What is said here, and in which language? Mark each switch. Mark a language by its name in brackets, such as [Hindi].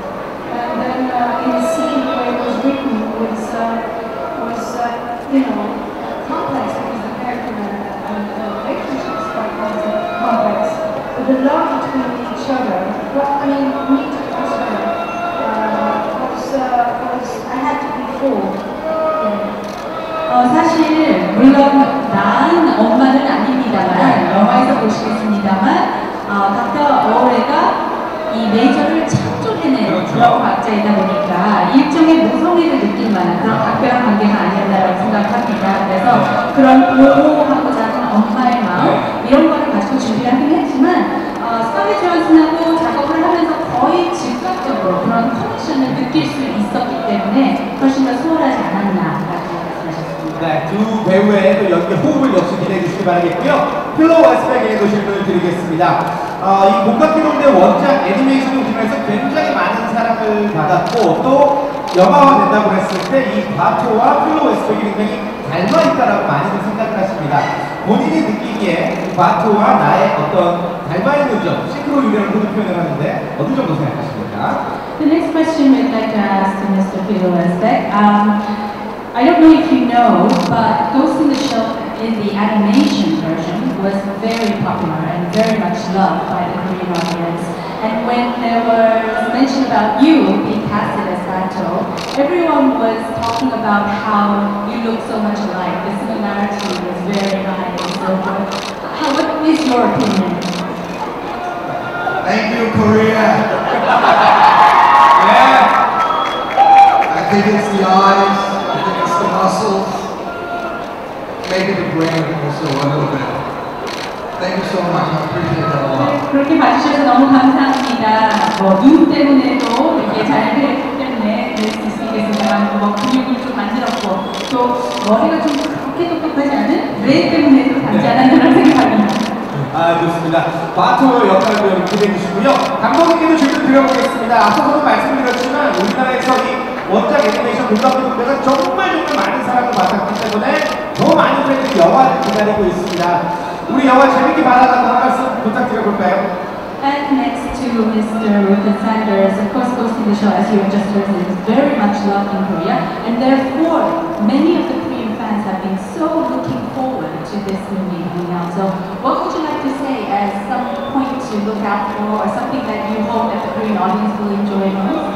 [English] And then in the scene where it was written, was complex because the character and the relationship was quite complex. But the love between each other, me to each other, was I had to be full. [Korean] 사실 물론 나은 엄마는 아닙니다만 영화에서 보시겠습니다만 닥터 어울레가 이 메이저를 창조해낸 그런 과학자이다 보니까 일종의 모성애를 느낄 만한 그런 각별한 관계가 아니었나라고 생각합니다. 그래서 그런 보호하고자 하는 엄마의 마음 이런 거를 가지고 준비하긴 했지만 스카렛 존슨하고 작업을 하면서 거의 즉각적으로 그런 커넥션을 느낄 수 있었기 때문에 훨씬 더 수월하지 않았나. 네, 두 배우의 또 연기 호흡을 역시 기대해 주시기 바라겠고요. 플로우 아스펙에게도 질문을 드리겠습니다. 이 공각기동대 원작 애니메이션을 통해서 굉장히 많은 사랑을 받았고 또 영화화 된다고 했을 때 이 바토와 플로우 아스펙이 굉장히 닮아있다라고 많이들 생각을 하십니다. 본인이 느끼기에 바토와 나의 어떤 닮아있는 점, 싱크로율이라는 것을 표현을 하는데 어느 정도 생각하십니까? [English] The next question we'd like to ask Mr. Flo Aspect. I don't know if you know, but Ghost in the Shell in the animation version was very popular and very much loved by the Korean audience. And when there was mention about you being casted as Bato, everyone was talking about how you look so much alike. The similarity was very high and so forth. What is your opinion? Thank you, Korea! Yeah! I think it's the eyes. Muscles, maybe the brain also a little bit. Thank you so much. I appreciate that a lot. [Korean] 그렇게 봐주셔서 너무 감사합니다. 뭐 눈 때문에도 이렇게 잘 그렸기 때문에 그럴 수 있겠지만 뭐 근육을 좀 만들었고 또 머리가 좀 그렇게 똑똑하지 않은 브레인 때문에도 닿지 않았다는 생각입니다. 아 좋습니다. 바토 역할도 기대해 주시고요. 감독님께도 질문 드려보겠습니다. 앞서서도 말씀드렸지만 우리나라에서 이 원작 애니메이션 공감대가 정말 많은 사랑을 받았기 때문에 더 많은 팬들이 영화를 기다리고 있습니다. 우리 영화 재밌게 봐달라고 한 말씀 부탁드려볼까요? [English] And next to Mr. Ruben Sanders, of course, hosting the show, as you have just heard, is very much loved in Korea. And therefore, many of the Korean fans have been so looking forward to this movie coming out. So what would you like to say as some point to look out for, or something that you hope that the Korean audience will enjoy most?